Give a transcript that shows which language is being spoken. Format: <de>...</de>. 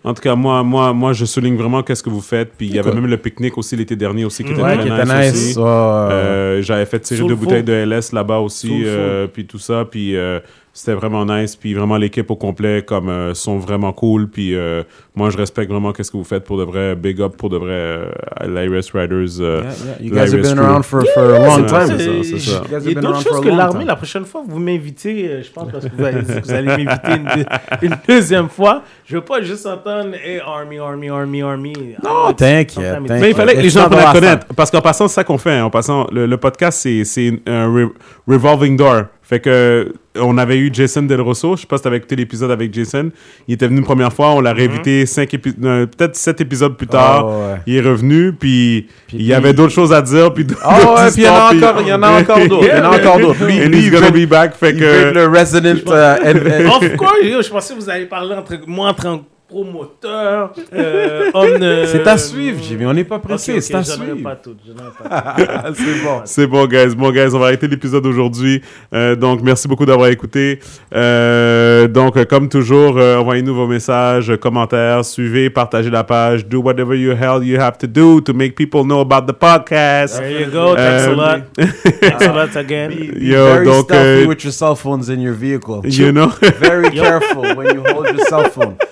<fr>En tout cas, moi, je souligne vraiment qu'est-ce que vous faites. Puis il y avait même le pique-nique aussi l'été dernier aussi qui était très nice. Aussi. J'avais fait tirer deux bouteilles de LS là-bas aussi, puis tout ça. Puis c'était vraiment nice. Puis vraiment, l'équipe au complet comme, sont vraiment cool. Puis moi, je respecte vraiment qu'est-ce que vous faites pour de vrai.</fr> <en>Big up</en> <fr>pour de vrai Lyris Riders.</fr> <en>You guys have been around for a long time.</en> <fr>Il y a d'autres choses que l'armée. La prochaine fois, vous m'invitez, je pense, parce que vous allez m'inviter une deuxième fois. Je ne veux pas juste entendre « Hey, Army ». Non, t'inquiète. Mais il fallait que les gens puissent la connaître. Parce qu'en passant, c'est ça qu'on fait. En passant, le podcast, c'est un revolving door. Fait que on avait eu Jason Del Rosso, je sais pas si t'avais écouté l'épisode avec Jason. Il était venu une première fois, on l'a réinvité peut-être 7 épisodes plus tard. Il est revenu, puis il y avait d'autres choses à dire, puis il y en a encore d'autres.</fr> <en>Yeah, and he's gonna be back.</en> <fr>Fait que le resident.</fr> <en>Of course,</en> <fr>je pensais que vous alliez parler entre moi en tant que promoteur. C'est à suivre, Jimmy. On n'est pas pressé. Okay, c'est à suivre. Je n'aurai pas tout. C'est bon, guys. On va arrêter l'épisode d'aujourd'hui. Donc, merci beaucoup d'avoir écouté. Donc, comme toujours, envoyez-nous vos messages, commentaires, suivez, partagez la page.</fr> <en>Do whatever the hell you have to do to make people know about the podcast. There you go. Thanks a lot. Thanks a lot again. Be very stealthy with your cell phones in your vehicle. You know? Very careful when you hold your cell phone.</en>